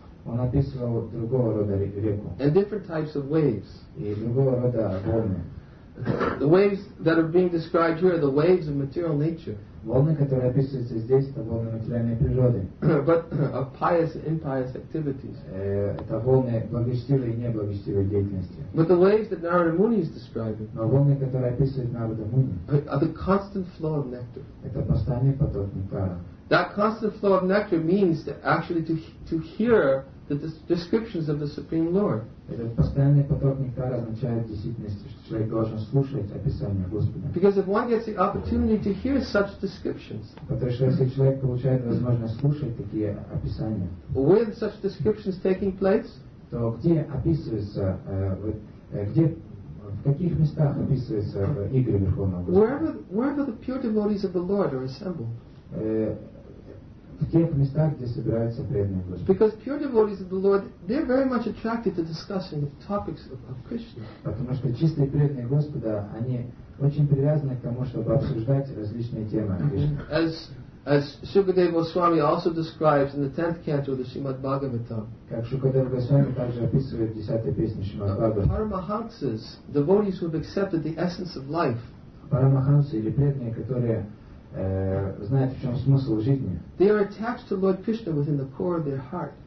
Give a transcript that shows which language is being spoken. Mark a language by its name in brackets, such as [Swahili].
[Russian] Он описывал другого рода реку. [English] And different types of waves. [Russian] И другого рода волны. [English] The waves that are being described here are the waves of material nature. [Russian] Волны, которые описываются здесь, это волны материальной природы. [English] But of pious and impious activities. [Russian] Это волны благочестивой и неблагочестивой деятельности. [English] But the waves that Narada Muni is describing. [Russian] Но волны, которые описывает Narada Muni. [English] Are the constant flow of nectar. [Russian] Это постоянный поток нектара. [English] That constant flow of nectar means that actually to hear the descriptions of the Supreme Lord. [Russian] Этот постоянный поток нектара означает в действительности, что человек должен слушать описание Господа. [English] Because if one gets the opportunity to hear such descriptions, [Russian] потому что если человек получает возможность слушать такие описания, [English] with such descriptions taking place, [Russian] то где описывается, где, в каких местах описывается игры Верховного Господа? [English] Wherever the pure devotees of the Lord are assembled. [Russian] В тех местах, где собираются преданные Господа. [English] Because pure devotees of the Lord, they're very much attracted to discussing the topics of Krishna. [Russian] Потому что чистые преданные Господа, они очень привязаны к тому, чтобы обсуждать различные темы Кришны. [English] As Shukadeva Goswami also describes in the 10th canto of the Srimad Bhagavatam. [Russian] Как Шукадева Госвами также описывает в 10-й песне Шримад Бхагаватам. [English] Paramahansas, devotees who have accepted the essence of life. [Russian] парамахансы или преданные, которые знают, в чем смысл жизни. [English] They are attached to Lord Krishna within the core of their heart.